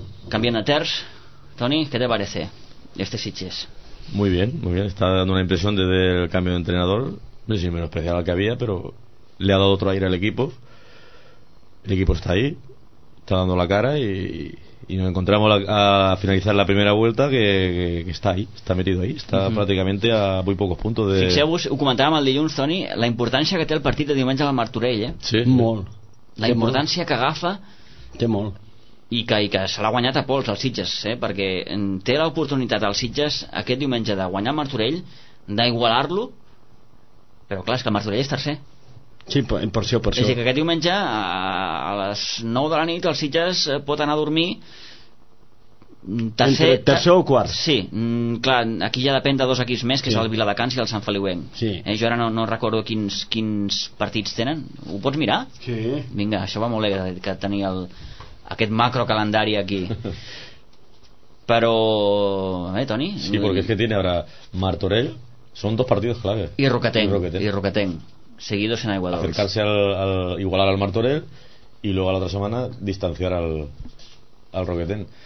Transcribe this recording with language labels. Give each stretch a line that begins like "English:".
Catalan: Canviant de terç, Toni, què
Spanish: te parece este
Catalan: Sitges?
Spanish: Muy bien, muy bien. Está dando una impresión desde el cambio de entrenador. No sé si menos especial al que había, pero le ha dado otro aire al equipo. El equipo está ahí, está dando la cara y nos encontramos a finalizar la primera vuelta que está ahí, está metido ahí. Está prácticamente a muy pocos puntos de...
Catalan: Fixeu-vos, ho comentàvem el dilluns, Toni, la importància que té el partit de diumenge a la Martorell, eh? Sí. Molt. La importància que agafa... Té molt. I que se l'ha guanyat a pols el Sitges, perquè té l'oportunitat el Sitges aquest diumenge de guanyar Martorell, d'igualar-lo, però clar, és que el Martorell és tercer. Sí, per això, per això. És a dir, que aquest diumenge a les 9 de la nit els Sitges pot anar a dormir tercer, entre tercer o quart. Sí, clar, aquí ja depèn de dos equips més, que sí, és el Viladecans i el Sant Feliuenc. Sí. Jo ara no recordo quins partits tenen. Ho pots mirar? Sí. Vinga, això va molt bé, que tenia aquest macrocalendari aquí. Però, Toni? Sí, perquè és que
Spanish: tiene ahora
Catalan: Martorell, són dos partits clave. I Roquetenc. I Roquetenc.
Spanish: Seguidos en
Catalan: Aiguadols.
Spanish: Acercarse al igualar al Martorell y luego la otra semana distanciar al Roquetenc.